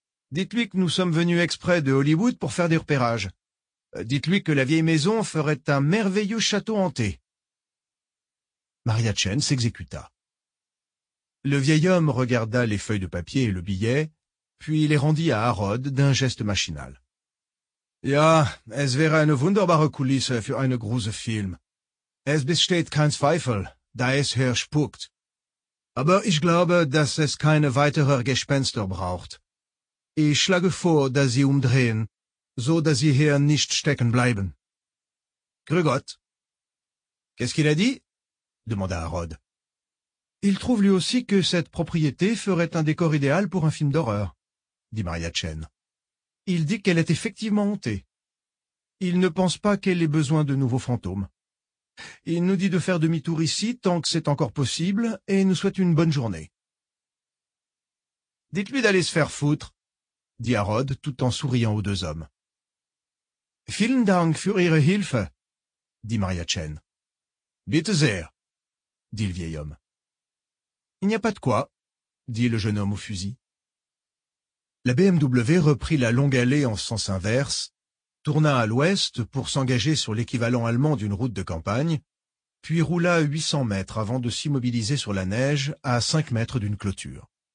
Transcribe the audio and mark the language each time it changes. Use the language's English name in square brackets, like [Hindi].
[French] Dites-lui que nous sommes venus exprès de Hollywood pour faire des repérages. Dites-lui que la vieille maison ferait un merveilleux château hanté. Maria Chen s'exécuta. Le vieil homme regarda les feuilles de papier et le billet, puis les rendit à Harold d'un geste machinal. [German] Ja, es wäre eine wunderbare Kulisse für eine große Film. Es besteht kein Zweifel, da es hier spukt. Aber ich glaube, dass es keine weitere Gespenster braucht. Ich schlage vor, dass sie umdrehen, so dass sie hier nicht stecken bleiben. Grüß Gott. [French] Qu'est-ce qu'il a dit? Demanda Harold. Il trouve lui aussi que cette propriété ferait un décor idéal pour un film d'horreur, dit Maria Chen. Il dit qu'elle est effectivement hantée. Il ne pense pas qu'elle ait besoin de nouveaux fantômes. Il nous dit de faire demi-tour ici tant que c'est encore possible et nous souhaite une bonne journée. Dites-lui d'aller se faire foutre, dit Harold tout en souriant aux deux hommes. [German] Vielen Dank für Ihre Hilfe, [French] dit Maria Chen. [German] Bitte sehr, [French] dit le vieil homme. Il n'y a pas de quoi, dit le jeune homme au fusil. La BMW reprit la longue allée en sens inverse, tourna à l'ouest pour s'engager sur l'équivalent allemand d'une route de campagne, puis roula 800 mètres avant de s'immobiliser sur la neige à 5 mètres d'une clôture.